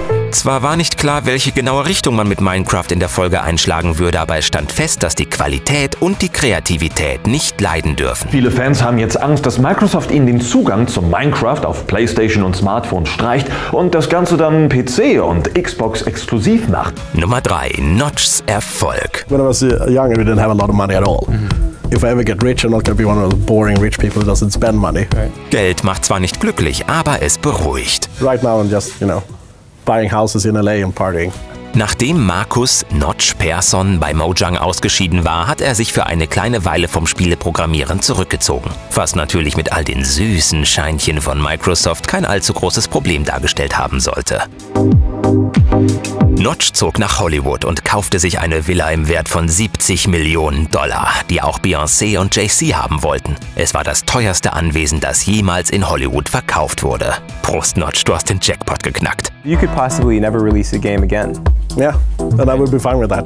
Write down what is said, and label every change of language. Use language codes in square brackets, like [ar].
[de] Zwar war nicht klar, welche genaue Richtung man mit Minecraft in der Folge einschlagen würde, aber es stand fest, dass die Qualität und die Kreativität nicht leiden dürfen. Viele Fans haben jetzt Angst, dass Microsoft ihnen den Zugang zu Minecraft auf PlayStation und Smartphone streicht und das Ganze dann PC und Xbox exklusiv macht. Nummer 3, Notchs Erfolg. [en] When I was young, we didn't have a lot of money at all. If I ever get rich, I'm not gonna be one of those boring rich people who doesn't spend money. [de] Geld macht zwar nicht glücklich, aber es beruhigt. [en] Right now I'm just, you know, buying houses in LA and partying. [de] Nachdem Markus Notch Persson bei Mojang ausgeschieden war, hat er sich für eine kleine Weile vom Spieleprogrammieren zurückgezogen. Was natürlich mit all den süßen Scheinchen von Microsoft kein allzu großes Problem dargestellt haben sollte. Notch zog nach Hollywood und kaufte sich eine Villa im Wert von 70 Millionen Dollar, die auch Beyoncé und Jay-Z haben wollten. Es war das teuerste Anwesen, das jemals in Hollywood verkauft wurde. Prost, Notch, du hast den Jackpot geknackt. [en] You could possibly never release a game again. Yeah, and I would be fine with that.